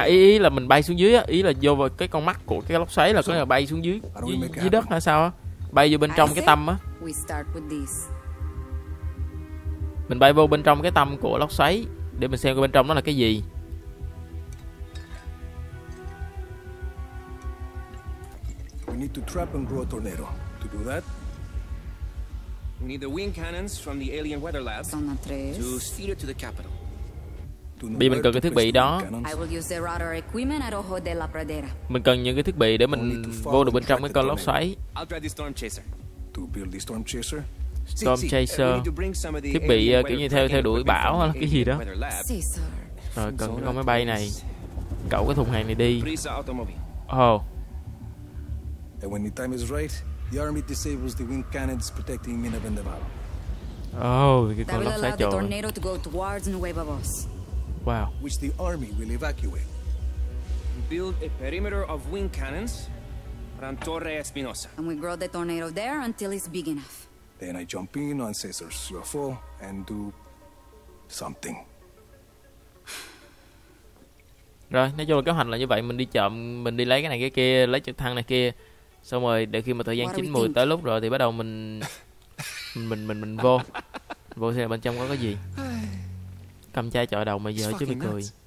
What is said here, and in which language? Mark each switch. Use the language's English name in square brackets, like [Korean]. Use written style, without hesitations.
[Vietnamese] À, ý là mình bay xuống dưới á, ý là vô vào cái con mắt của cái lốc xoáy là có thể bay xuống dưới đất hay sao á? Bay vô bên trong cái tâm á. [English] We start with this. [Vietnamese] Mình bay vô bên trong cái tâm của lốc xoáy để mình xem bên trong nó là cái gì. [English] We need to trap and grow a tornado. To do that, we need the wind cannons from the alien weather lab to steer it to the capital. [Vietnamese] Bây mình cần cái thiết bị đó. [English] I will use the radar equipment at Ojo de la Pradera. [Vietnamese] Mình cần những cái thiết bị để mình vô được bên trong cái cơn lốc xoáy. [English] I'll drive the storm chaser. To build the storm chaser. Storm chaser. [Vietnamese] Thiết bị kiểu như theo đuổi bão hay là cái gì đó. Rồi cần cái con máy bay này. Cẩu cái thùng hàng này đi. [English] Oh. And when the time is right, the army disables the wind cannons protecting Mina Vendevaro. [Vietnamese] Oh, cái con lốc xoáy trời. [English] Tornado to go towards Nueva Voz. Wow. Which the army will evacuate. Build a perimeter of wind cannons around Torre Espinosa. And we grow the tornado there until it's big enough. Then I jump in on Cesar's UFO and do something. [Vietnamese] Rồi, nói chung là kế hoạch là như vậy. Mình đi chậm, mình đi lấy cái này cái kia, lấy trực thăng này kia. Xong rồi, để khi mà thời gian chín mùi tới lúc rồi thì bắt đầu mình vô. Anh vô xem bên trong có cái gì. Cầm chai chọi đầu mày giờ chứ mày cười.